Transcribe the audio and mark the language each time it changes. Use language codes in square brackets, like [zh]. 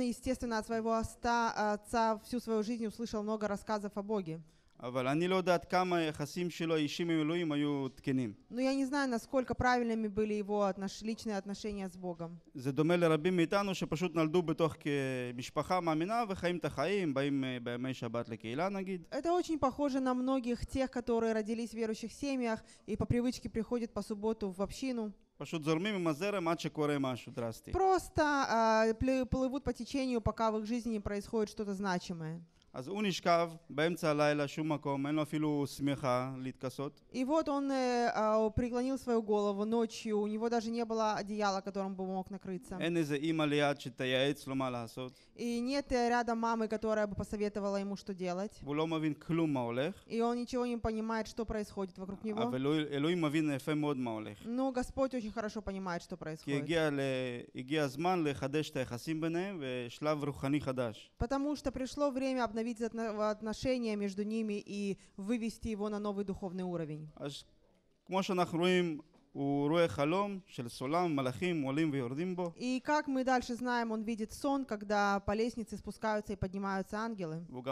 [ru] естественно, от своего отца всю свою жизнь услышал много рассказов о Боге. [he] אבל אני לא יודעת כמה יחסים שלו אישים עם אלוהים היו תקינים. [ru] Но я не знаю, насколько правильными были его личные отношения с Богом. [he] זה דומה לרבים מאיתנו שפשוט נולדו בתוך משפחה מאמינה וחיים את החיים, באים בימי שבת לקהילה נגיד. [ru] Это очень похоже на многих тех, которые родились в верующих семьях и по привычке приходят по субботу в общину. [he] פשוט זורמים עם הזרם עד שקורה משהו דרסטי. [ru] Просто плывут по течению, пока в их жизни происходит что-то значимое. [he] אז הוא נשכב באמצע הלילה, שום מקום, אין לו אפילו שמיכה להתכסות. [ru] И вот он преклонил свою голову ночью, у него даже не было одеяла, которым бы мог накрыться. [he] אין איזה אימא ליד שתייעץ לו מה לעשות. [ru] И нет рядом мамы, которая бы посоветовала ему, что делать. [he] הוא לא מבין כלום מה הולך. [ru] И он ничего не понимает, что происходит вокруг него. [he] אבל אלוהים מבין יפה מאוד מה הולך. [ru] Но Господь очень хорошо понимает, что происходит. [he] כי הגיע הזמן לחדש את היחסים ביניהם ושלב רוחני חדש. [ru] Потому что пришло время обновить отношения между ними и вывести его на новый духовный уровень. И как мы дальше знаем, он видит сон, когда по лестнице спускаются и поднимаются ангелы.